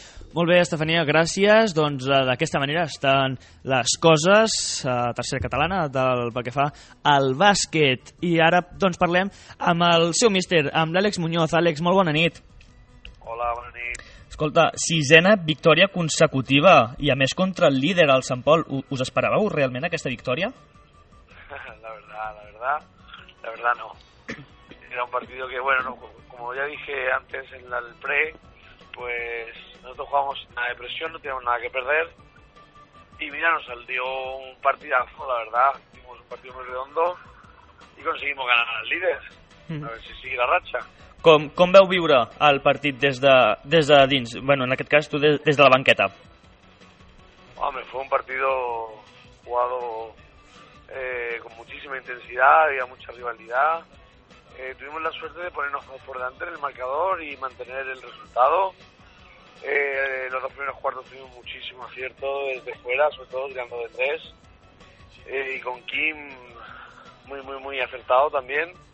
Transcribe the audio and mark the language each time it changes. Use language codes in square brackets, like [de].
[ca] Molt bé, Estefania, gràcies. Doncs d'aquesta manera estan les coses, tercera catalana, pel que fa al bàsquet. I ara doncs parlem amb el seu míster, amb l'Àlex Muñoz. Àlex, molt bona nit. Hola, bona nit. Escolta, sisena victòria consecutiva i a més contra el líder, el Sant Pol. Us esperàveu realment aquesta victòria? [es] La verdad no. Era un partido que, bueno, no, como ya dije antes en el pre, pues nosotros jugamos sin nada de presión, no teníamos nada que perder. Y mira, nos salió un partidazo, la verdad. Hicimos un partido muy redondo y conseguimos ganar al líder. A ver si sigue la racha. [ca] ¿Com veu viure el partit des de dins? Bueno, en aquest cas, tu des de la banqueta. [es] Hombre, fue un partido jugado con muchísima intensidad, había mucha rivalidad. Tuvimos la suerte de ponernos por delante en el marcador y mantener el resultado. Los dos primeros cuartos tuvimos muchísimo acierto desde fuera, sobre todo tirando de tres, y con Kim muy muy muy acertado también.